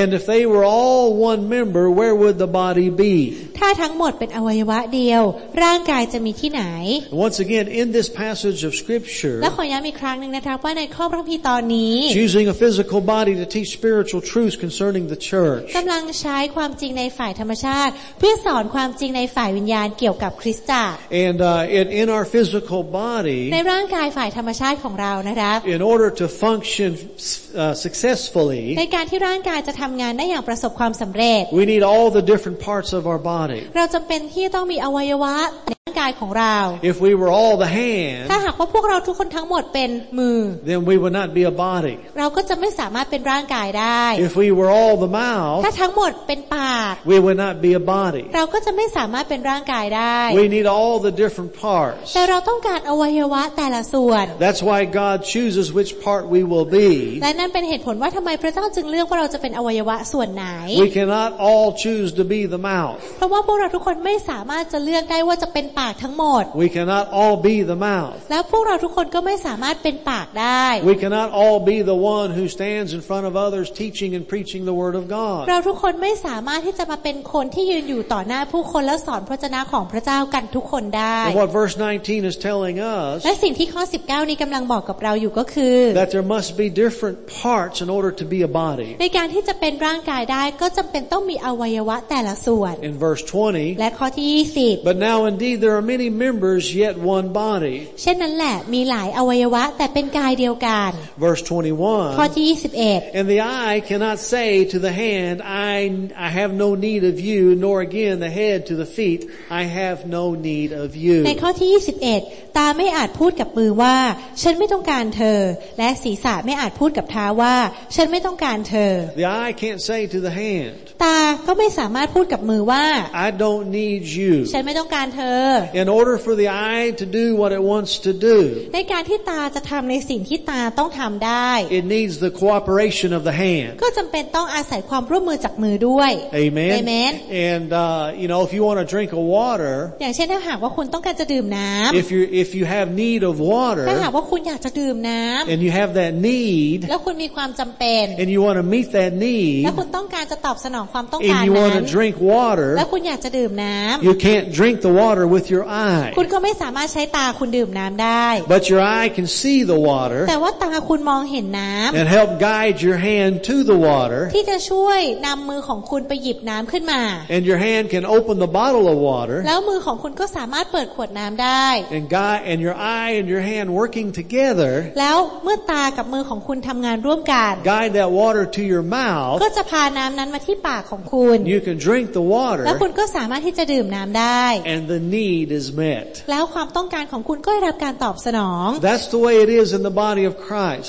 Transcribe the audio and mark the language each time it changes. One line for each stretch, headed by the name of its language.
English: And if they were all one member, where would the body be?
Thai: ถ้าทั้งหมดเป็นอวัยวะเดียวร่างกายจะมีที่ไหน
English: Once again, in this passage of Scripture,
Thai: และขอย้ำอีกครั้งหนึ่งนะครับว่าในข้อพระคัมภีร์ตอนนี้
English: Using a physical body to teach spiritual truths concerning the church,
Thai: กำลังใช้ความจริงในฝ่ายธรรมชาติเพื่อสอนความจริงในฝ่ายวิญญาณเกี่ยวกับคริสตจักร
English: And in our physical body,
Thai: ในร่างกายฝ่ายธรรมชาติของเรานะครับ
English: In order to function successfully.
Thai: ในการที่ร่างกายจะทำงานได้อย่างประสบความสำเร็จ
English: We need all the different parts of our body
Thai: เราจำเป็นที่ต้องมีอวัยวะใน กายของเรา
English: If we were all the hands
Thai: ถ้าหากว่าพวกเราทุกคนทั้งหมดเป็นมือ
English: Then we would not be a body
Thai: เราก็จะไม่สามารถเป็นร่างกายได้
English: If we were all the mouth
Thai: ถ้าทั้งหมดเป็นปาก
English: We would not be a body
Thai: เราก็จะไม่สามารถเป็นร่างกายได้
English: We need all the different parts
Thai: แต่เราต้องการอวัยวะแต่ละส่วน
English: That's why God chooses which part we will be
Thai: และนั่นเป็นเหตุผลว่าทำไมพระเจ้าจึงเลือกว่าเราจะเป็นอวัยวะส่วนไหน
English: We cannot all choose to be the mouth
Thai: เพราะว่าพวกเราทุกคนไม่สามารถจะเลือกได้ว่าจะเป็นปากทั้งหมด
English: We cannot all be the mouth
Thai: แล้วพวกเราทุกคนก็ไม่สามารถเป็นปากได้
English: We cannot all be the one who stands in front of others teaching and preaching the word of God
Thai: เราทุกคนไม่สามารถที่จะมาเป็นคนที่ยืนอยู่ต่อหน้าผู้คนแล้วสอนพระวจนะของพระเจ้ากันทุกคนได้
English: What verse 19 is telling us
Thai: และสิ่งที่ข้อ19นี้กำลังบอกกับเราอยู่ก็คือ
English: That there must be different parts in order to be a body
Thai: ในการที่จะเป็นร่างกายได้ก็จำเป็นต้องมีอวัยวะแต่ละส่วน
English: In verse 20
Thai: และข้อที่20
English: But now indeed there are many members yet one body
Thai: เช่นนั้นแหละมีหลายอวัยวะแต่เป็นกายเดียวกัน
English: Verse 21
Thai: ข้อที่21
English: And the eye cannot say to the hand I have no need of you nor again the head to the feet I have no need of you
Thai: ในข้อที่21ตาไม่อาจพูดกับมือว่าฉันไม่ต้องการเธอและศีรษะไม่อาจพูดกับเท้าว่าฉันไม่ต้องการเธอ
English: The eye can't say to the hand
Thai: ตาก็ไม่สามารถพูดกับมือว่า
English: I don't need you
Thai: ฉันไม่ต้องการเธอ
English: In order for the eye to do what it wants to do
Thai: ในการที่ตาจะทำในสิ่งที่ตาต้องทำได้
English: It needs the cooperation of the hand
Thai: ก็จำเป็นต้องอาศัยความร่วมมือจากมือด้วย
English: Amen Amen And you know if you want a drink of water
Thai: อย่างเช่นถ้าหากว่าคุณต้องการจะดื่มน้ำ
English: If you have need of water
Thai: ถ้าหากว่าคุณอยากจะดื่มน้ำ
English: And you have that need
Thai: แล้วคุณมีความจำเป็น
English: And you want to meet that need
Thai: แล้วคุณต้องการจะตอบสนองความต้องการ
English: นั้น And you want to drink water
Thai: แล้วคุณอยากจะดื่มน้ำ
English: You can't drink the water with your eye
Thai: คุณก็ไม่สามารถใช้ตาคุณดื่มน้ำได้
English: But your eye can see the water
Thai: แต่ว่าตาคุณมองเห็นน้ำ
English: And help guide your hand to the water
Thai: ที่จะช่วยนำมือของคุณไปหยิบน้ำขึ้นมา
English: And your hand can open the bottle of water
Thai: แล้วมือของคุณก็สามารถเปิดขวดน้ำได้
English: And God and your eye and your hand working together
Thai: แล้วเมื่อตากับมือของคุณทำงานร่วมกัน
English: Guide that water to your mouth
Thai: ก็จะพาน้ำนั้นมาที่ปากของคุณ
English: You can drink the water
Thai: แล้วคุณก็สามารถที่จะดื่มน้ำได้
English: And the need is met
Thai: แล้วความต้องการของคุณก็ได้รับการตอบสนอง
English: That's the way it is in the body of Christ